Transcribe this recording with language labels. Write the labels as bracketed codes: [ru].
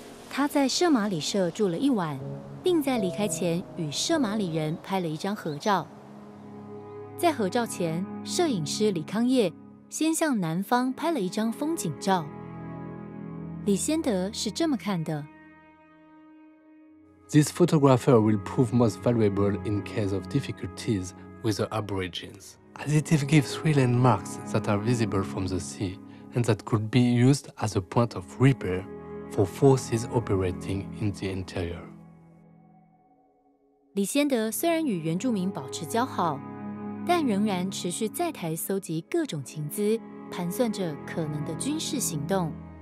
[zh] 他在社马里社住了一晚，并在离开前与社马里人拍了一张合照。在合照前，摄影师李康业先向南方拍了一张风景照。李先德是这么看的 [en] ：This photographer will prove most valuable in case of difficulties with the Aborigines, as it gives three landmarks that are visible from the sea and that could be used as a point of repair for forces operating in the interior. [zh] 李先德虽然与原住民保持交好，但仍然持续在台搜集各种情资，盘算着可能的军事行动。